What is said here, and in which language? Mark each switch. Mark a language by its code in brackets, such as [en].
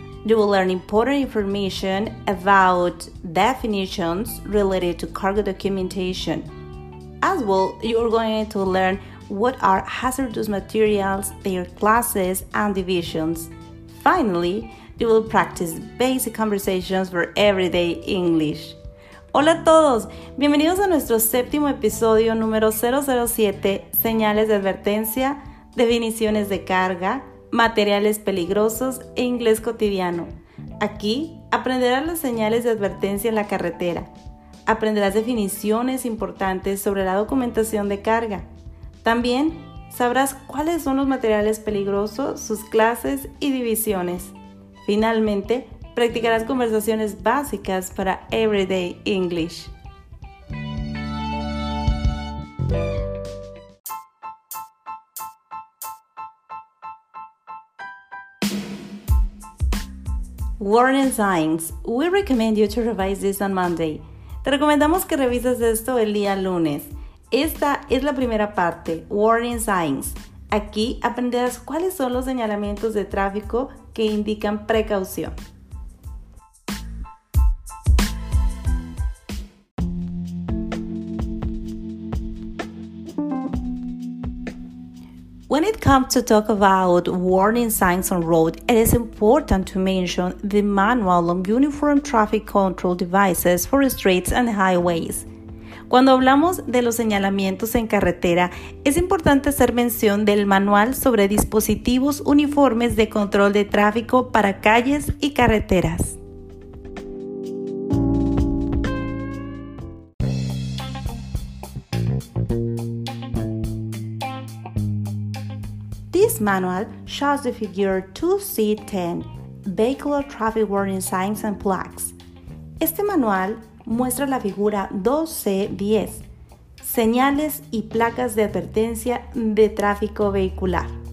[en] You will learn important information about definitions related to cargo documentation. As well, you are going to learn what are hazardous materials, their classes and divisions. Finally, you will practice basic conversations for everyday English. [es] Hola a todos, bienvenidos a nuestro 7º episodio número 007, señales de advertencia, definiciones de carga, materiales peligrosos e inglés cotidiano. Aquí aprenderás las señales de advertencia en la carretera. Aprenderás definiciones importantes sobre la documentación de carga. También sabrás cuáles son los materiales peligrosos, sus clases y divisiones. Finalmente, practicarás conversaciones básicas para Everyday English. [en] Warning signs. We recommend you to revise this on Monday. [es] Te recomendamos que revises esto el día lunes. Esta es la primera parte, [en] Warning signs. [es] Aquí aprenderás cuáles son los señalamientos de tráfico que indican precaución. [en] When it comes to talk about warning signs on road, it is important to mention the manual on uniform traffic control devices for streets and highways. [es] Cuando hablamos de los señalamientos en carretera, es importante hacer mención del manual sobre dispositivos uniformes de control de tráfico para calles y carreteras. [en] This manual shows the figure 2C10, Vehicular Traffic Warning Signs and Plaques. [es] Este manual muestra la figura 2C10, señales y placas de advertencia de tráfico vehicular.